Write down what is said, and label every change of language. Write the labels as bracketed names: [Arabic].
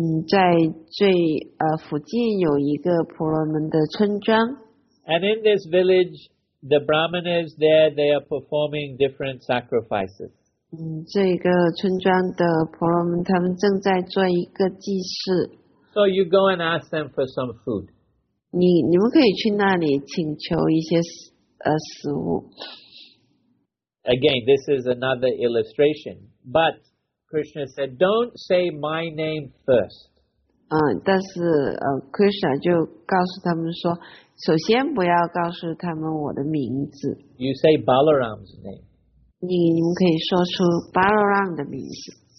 [Chinese] 在最附近有一个婆罗门的村庄。 [English] And in this village, the Brahmanas there, they are performing different sacrifices. [Chinese] 这个村庄的婆罗门他们正在做一个祭祀。 [English] So you go and ask them for some food. [Chinese] 你们可以去那里请求一些食物。 [English] Again, this is another illustration. But Krishna said, "Don't say my name first." [Chinese] 但是Krishna 就告诉他们说，首先不要告诉他们我的名字。 [English] You say Balaram's name. [Chinese] 你们可以说出 Balaram 的名字。